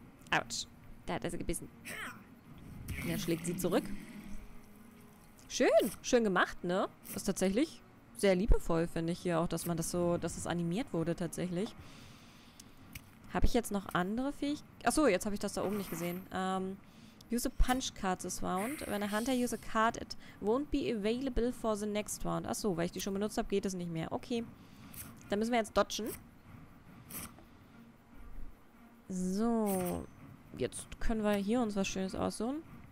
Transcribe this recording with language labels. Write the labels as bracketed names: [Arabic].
[German] Autsch. Da hat er sie gebissen. Und er schlägt sie zurück. Schön. Schön gemacht, ne? Ist tatsächlich sehr liebevoll, finde ich hier auch, dass man das so, dass es animiert wurde tatsächlich. Habe ich jetzt noch andere Fähigkeiten? Achso, jetzt habe ich das da oben nicht gesehen. [English] Use a punch card this round. When a hunter use a card, it won't be available for the next round. [German] Achso, weil ich die schon benutzt habe, geht es nicht mehr. Okay. Dann müssen wir jetzt dodgen. So, jetzt können wir hier uns was Schönes aussuchen.